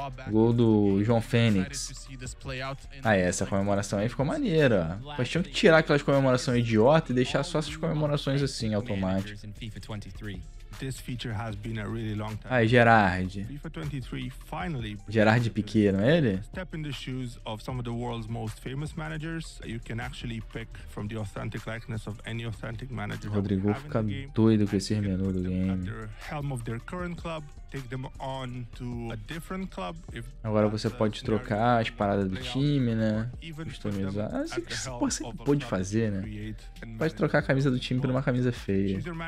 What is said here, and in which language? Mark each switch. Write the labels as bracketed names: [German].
[Portuguese] Gol do João Fênix. Ah, essa comemoração aí ficou maneira. Mas tinha que tirar aquelas comemorações idiotas e deixar só essas comemorações assim, automáticas. [English] This feature has been a really long time. Ah, Gerard. FIFA 23 finally. Gerard Piqué, [Portuguese] não é ele? [English] Step in the shoes of some of the world's most famous managers. You can actually pick from the authentic likeness of any authentic manager. [Portuguese] Rodrigo fica doido com esse menu do game. [English] Helm of their current club. Take them on to a different club. [Portuguese] If agora você pode trocar as paradas do time, né? Customizar. Ah, isso que você pode fazer, né? Pode trocar a camisa do time por uma camisa feia.